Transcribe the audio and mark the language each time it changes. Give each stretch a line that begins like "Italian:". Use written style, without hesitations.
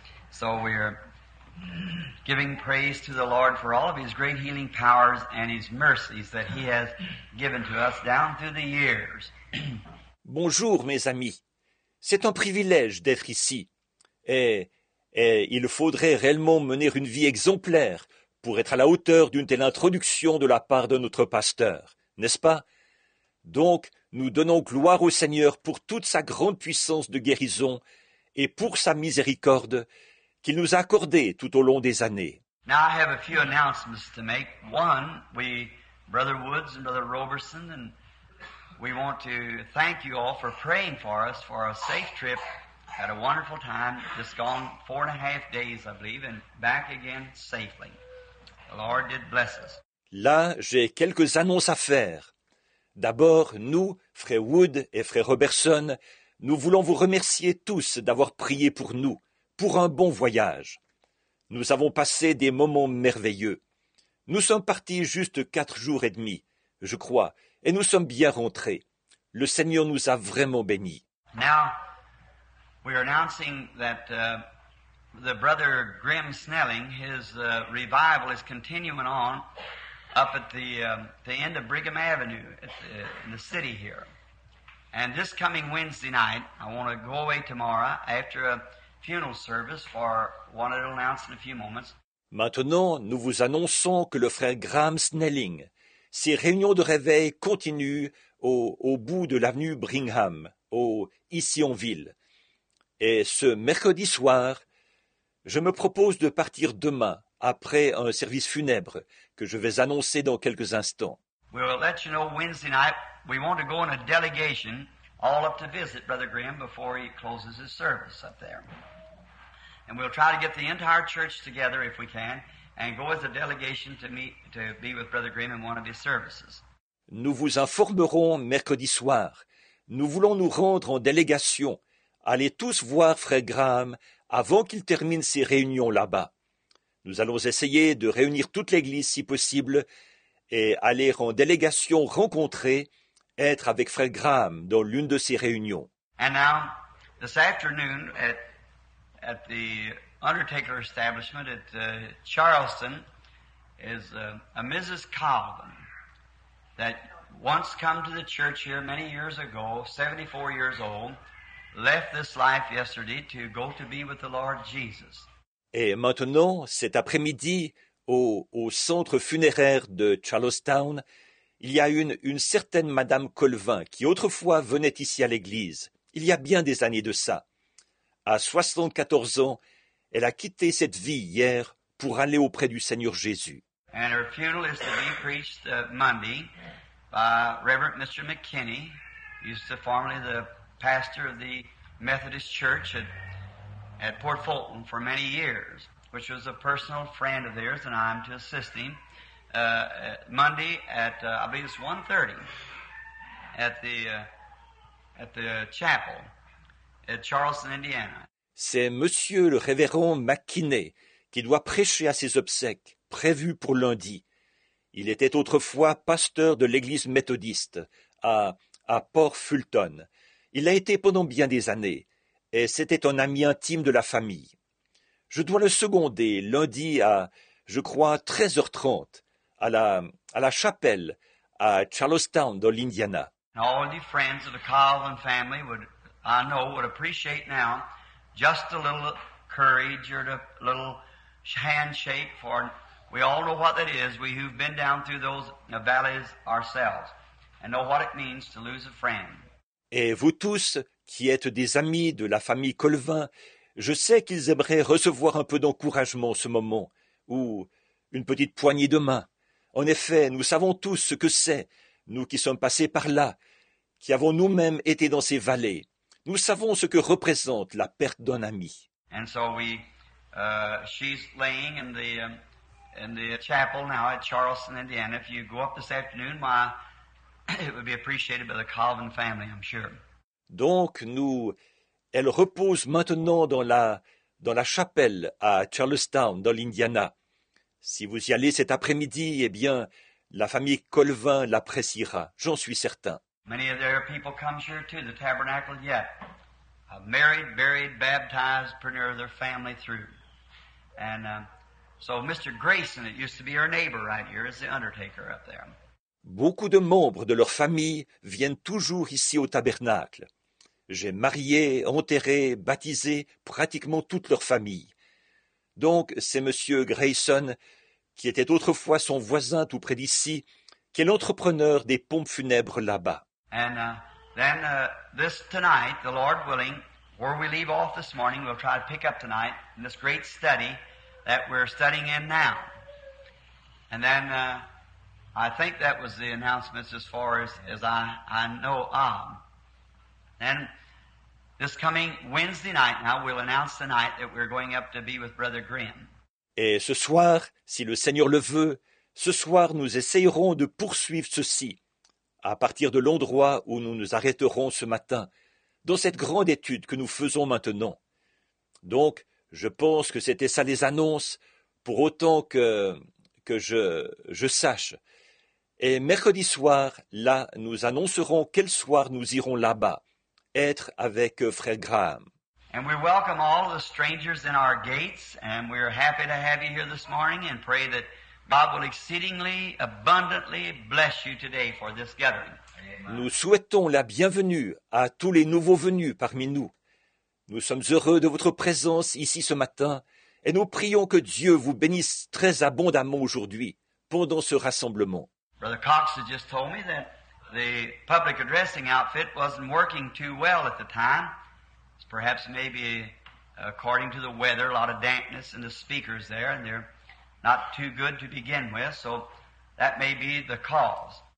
English: So we're giving praise to the Lord for all of His great healing powers and His mercies that He has given to us down through the years.
French: Bonjour, mes amis. C'est un privilège d'être ici. Et il faudrait réellement mener une vie exemplaire pour être à la hauteur d'une telle introduction de la part de notre pasteur, n'est-ce pas? Donc, nous donnons gloire au Seigneur pour toute sa grande puissance de guérison et pour sa miséricorde qu'il nous a accordé tout au long des années.
English: Now I have a few announcements to make. One, we, Brother Woods and Brother Roberson, and we want to thank you all for praying for us for a safe trip. Had a wonderful time, just gone 4.5 days, I believe, and back again safely. The Lord did bless us.
French: Là, j'ai quelques annonces à faire. D'abord, nous, frère Wood et frère Roberson, nous voulons vous remercier tous d'avoir prié pour nous, pour un bon voyage. Nous avons passé des moments merveilleux. Nous sommes partis juste 4 jours et demi, je crois, et nous sommes bien rentrés. Le Seigneur nous a vraiment bénis.
English: Now, we are announcing that the brother Grim Snelling, his revival is continuing on up at the end of Brigham Avenue in the city here. And this coming Wednesday night, I want to go away tomorrow after a funeral service for one to announce in a few moments.
French: Maintenant, nous vous annonçons que le frère Graham Snelling, ses réunions de réveil continuent au bout de l'avenue Brigham, ici en ville. Et ce mercredi soir, je me propose de partir demain après un service funèbre que je vais annoncer dans quelques instants.
English: We will let you know Wednesday night. We want to go in a delegation all up to visit Brother Graham before he closes his service up there. And we'll try to get the entire church together if we can and go as a delegation to be with Brother Graham in one of his services.
French: Nous vous informerons mercredi soir. Nous voulons nous rendre en délégation. Allez tous voir Frère Graham avant qu'il termine ses réunions là-bas. Nous allons essayer de réunir toute l'Église si possible et aller en délégation rencontrer, être avec Frère Graham dans l'une de ses réunions.
English: And now, this afternoon at the Undertaker establishment at Charleston is a Mrs. Calvin that once come to the church here many years ago, 74 years old, left this life yesterday to go to be with the Lord Jesus.
French: Et maintenant, cet après-midi, au centre funéraire de Charlestown, il y a une certaine Madame Colvin qui autrefois venait ici à l'église, il y a bien des années de ça. À 74 ans, elle a quitté cette vie hier pour aller auprès du Seigneur Jésus.
English: And her funeral is to be preached Monday by Reverend Mr. McKinney, used to formerly the pastor of the Methodist Church at Port Fulton for many years, which was a personal friend of theirs, and I'm to assist him Monday at, I believe it's 1:30, at the chapel at Charleston, Indiana.
French: C'est Monsieur le Révérend McKinney qui doit prêcher à ses obsèques, prévues pour lundi. Il était autrefois pasteur de l'église méthodiste à Port Fulton. Il a été pendant bien des années, et c'était un ami intime de la famille. Je dois le seconder lundi à, je crois, 13h30, à la chapelle à Charlestown, dans l'Indiana.
English: All the friends of the Calvin family would appreciate now just a little courage or a little handshake for We all know what that is. We who've been down through those valleys ourselves and know what it means to lose a friend.
French: Et vous tous qui êtes des amis de la famille Colvin, je sais qu'ils aimeraient recevoir un peu d'encouragement ce moment ou une petite poignée de main. En effet, nous savons tous ce que c'est, nous qui sommes passés par là, qui avons nous-mêmes été dans ces vallées. Nous savons ce que représente la perte d'un ami.
English: And so she's laying in the chapel now at Charleston, Indiana. If you go up this afternoon, it would be appreciated by the Colvin family, I'm sure.
French: Donc, elle repose maintenant dans la chapelle à Charlestown, dans l'Indiana. Si vous y allez cet après-midi, eh bien, la famille Colvin l'appréciera, j'en suis certain.
English: Many of their people come here too, the tabernacle yet. Married, buried, baptized, preneur their family through. And so Mr. Grayson, it used to be our neighbor right here, is the undertaker up there.
French: Beaucoup de membres de leur famille viennent toujours ici au tabernacle. J'ai marié, enterré, baptisé pratiquement toute leur famille. Donc, c'est M. Grayson, qui était autrefois son voisin tout près d'ici, qui est l'entrepreneur des pompes funèbres là-bas.
English: And then this tonight, the Lord willing, where we leave off this morning, we'll try to pick up tonight in this great study that we're studying in now. And then I think that was the announcements as far as I know of. And this coming Wednesday night, now we'll announce tonight that we're going up to be with Brother Grimm.
French: Et ce soir, si le Seigneur le veut, ce soir nous essayerons de poursuivre ceci, à partir de l'endroit où nous nous arrêterons ce matin, dans cette grande étude que nous faisons maintenant. Donc, je pense que c'était ça les annonces, pour autant que je sache. Et mercredi soir, là, nous annoncerons quel soir nous irons là-bas, être avec Frère Graham.
English: And we welcome all the strangers in our gates, and we are happy to have you here this morning, and pray that God will exceedingly, abundantly bless you today for this gathering. Amen.
French: Nous souhaitons la bienvenue à tous les nouveaux venus parmi nous. Nous sommes heureux de votre présence ici ce matin, et nous prions que Dieu vous bénisse très abondamment aujourd'hui, pendant ce rassemblement.
English: Brother Cox has just told me that the public addressing outfit wasn't working too well at the time. It's perhaps maybe according to the weather, a lot of dampness in the speakers there, and they're not too good to begin with, so that may be the cause.